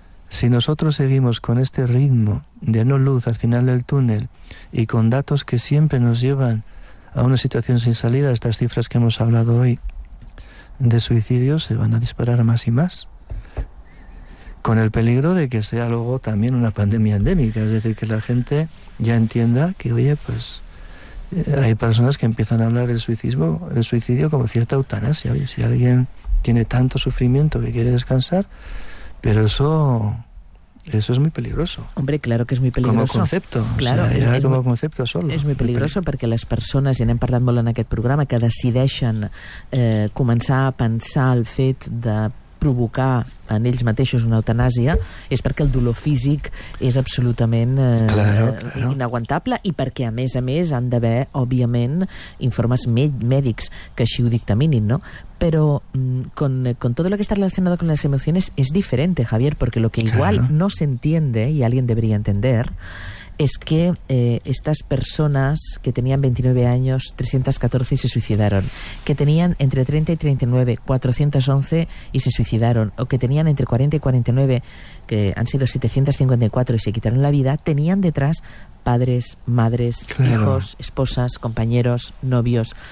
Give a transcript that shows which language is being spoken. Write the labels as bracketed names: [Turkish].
[Spanish] Si nosotros seguimos con este ritmo de no luz al final del túnel y con datos que siempre nos llevan a una situación sin salida, estas cifras que hemos hablado hoy de suicidios se van a disparar más y más, con el peligro de que sea luego también una pandemia endémica, es decir, que la gente ya entienda que, oye, pues hay personas que empiezan a hablar del suicidio, como cierta eutanasia. Oye, si alguien tiene tanto sufrimiento que quiere descansar. Pero eso es muy peligroso. Hombre, claro que es muy peligroso. Como concepto. Claro, o sea, es como muy, concepto solo. [Catalan] És [Spanish] muy peligroso [Catalan] perquè les persones, i anem parlant molt en aquest programa, que decideixen començar a pensar el fet de provocar en ells mateixos una eutanàsia és perquè el dolor físic és absolutament inaguantable i perquè, a més, han d'haver, òbviament, informes mèdics que així ho dictaminin, no? [Spanish] Però con todo lo que está relacionado con las emociones es diferente, Javier, porque lo que igual no se entiende, y alguien debería entender, es que estas personas que tenían 29 años, 314 y se suicidaron, que tenían entre 30 y 39, 411 y se suicidaron, o que tenían entre 40 y 49, que han sido 754 y se quitaron la vida, tenían detrás padres, madres, hijos, esposas, compañeros, novios.